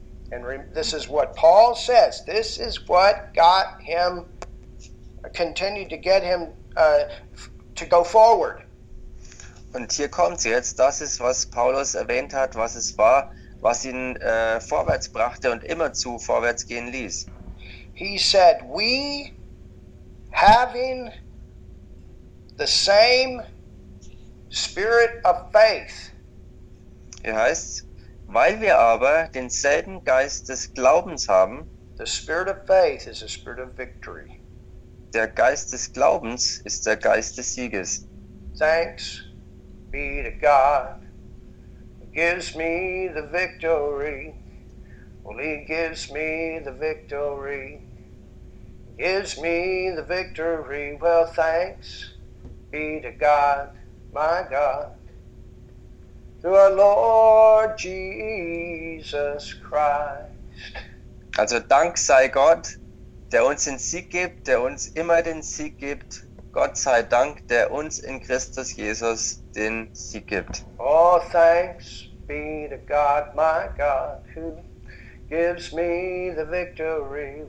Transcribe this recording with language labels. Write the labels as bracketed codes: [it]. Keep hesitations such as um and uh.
[en] And re, this is what Paul says. This is what got him, continued to get him [de] uh, [en] to go forward. [de] Und hier kommt es jetzt. Das ist, was Paulus erwähnt hat, was es war, was ihn äh, vorwärts brachte und immer zu vorwärts gehen ließ. [en] He said, we having the same spirit of faith. [de] Hier heißt, weil wir aber denselben Geist des Glaubens haben. [en] The spirit of faith is a spirit of victory. [de] Der Geist des Glaubens ist der Geist des Sieges. [en] Thanks. be to God who gives me the victory. Well, he gives me the victory. He gives me the victory. Well, thanks be to God, my God, through our Lord Jesus Christ. [de] Also, Dank sei Gott, der uns den Sieg gibt, der uns immer den Sieg gibt. Gott sei Dank, der uns in Christus Jesus den Sieg gibt. [en] Oh, thanks be to God, my God, who Gives me the victory.